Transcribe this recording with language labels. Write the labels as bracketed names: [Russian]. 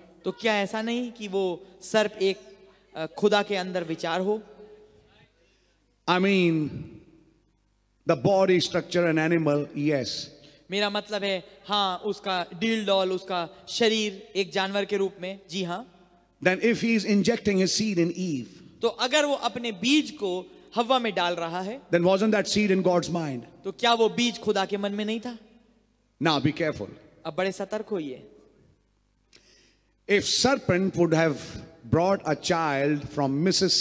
[Hindi] तो क्या ऐसा नहीं कि वो सर्प एक खुदा के अंदर विचार हो? [English] I mean the body structure an animal, yes. [Hindi] मेरा मतलब है, हाँ, उसका डील डॉल, उसका शरीर एक जानवर के रूप में, जी हाँ. [English] Then if he is injecting his seed in Eve, [Hindi] तो अगर वो अपने बीज को हवा में डाल रहा है, [English] then wasn't that seed in God's mind? [Hindi] तो क्या वो बीज खुदा के मन में नहीं था? [English] Now be careful. [Hindi] अब बड़े सतर्क होइए. [English] If serpent would have brought a child from Mrs.